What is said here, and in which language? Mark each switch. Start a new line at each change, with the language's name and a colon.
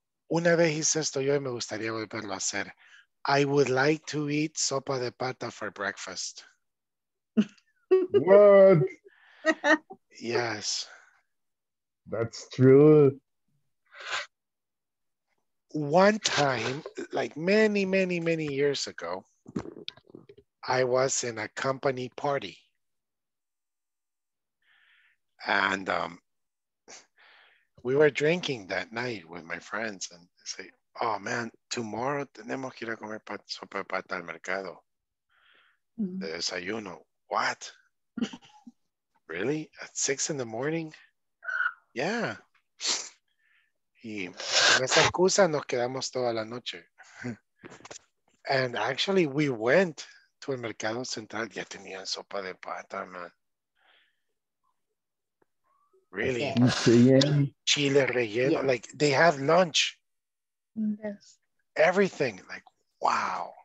Spanish: Una vez hice esto yo y me gustaría volverlo a hacer.
English: I would like to eat sopa de pata for breakfast. What? Yes. That's true. One time, like many, many, many years ago, I was in a company party. And we were drinking that night with my friends and say, oh man, tomorrow tenemos que ir a comer sopa de pata al mercado.
Spanish: De desayuno. What? Really?
English: At 6 a.m? Yeah.
Spanish: Y con esa excusa nos quedamos toda la noche.
English: And actually we went to el mercado central.
Spanish: Ya tenían sopa de pata, man.
English: Really? Chile relleno. Yeah. Like they have lunch. Yes. Everything. Like, wow.